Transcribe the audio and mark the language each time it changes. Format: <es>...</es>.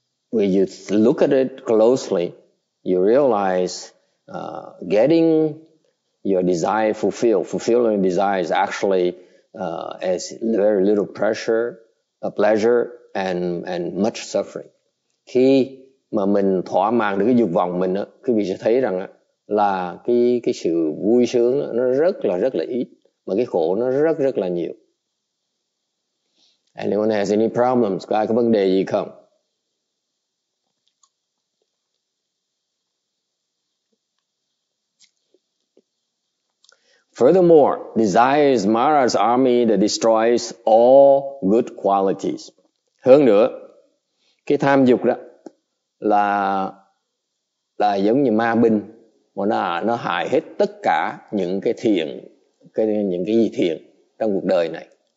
<en>When you look at it closely, you realize getting your desire fulfilling desire is actually as very little pressure, a pleasure and much suffering.</en> <vi>Khi mà mình thỏa mãn được cái dục vọng mình á, quý vị sẽ thấy rằng á là cái sự vui sướng nó rất là ít mà cái khổ nó rất là nhiều.</vi> <en>Anyone has any problems?</en> <vi>Có ai có vấn đề gì không?</vi> <en>Furthermore, desire is Mara's army that destroys all good qualities.</en> <vi>Hơn nữa, cái tham dục đó là giống như ma binh. Nó hại hết tất cả những cái thiện, những cái gì thiện trong cuộc đời này.</vi>